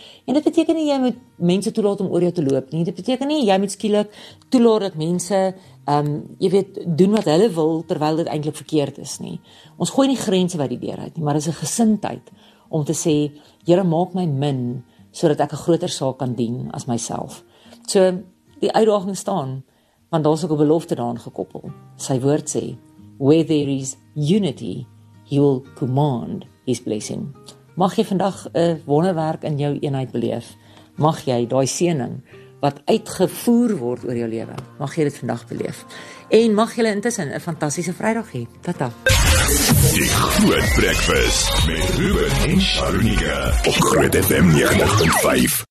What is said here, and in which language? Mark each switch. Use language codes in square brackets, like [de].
[af] En dit beteken nie jy moet mense toelaat om oor jou te loop nie, dit beteken nie jy moet skielik toelaat dat mense, jy weet, doen wat hulle wil, terwyl dit eintlik verkeerd is nie. Ons gooi nie grense by die deur uit nie, maar dit is 'n gesindheid om te sê, Here, maak my min, sodat ek 'n groter saak kan dien as myself. So, die uitdaging staan, want daar is ook 'n belofte daaraan gekoppel. Sy woord sê, [en] where there is unity, He will command his blessing. [af] Mag jy vandag 'n wonderwerk in jou eenheid beleef. Mag jy daai seëning wat uitgevoer word oor jou lewe, mag jy dit vandag beleef. En mag jy intussen 'n fantastiese Vrydag hê. Tata. Die Groot Breakfast met Ruben en Sharunika op Groot FM 90.5.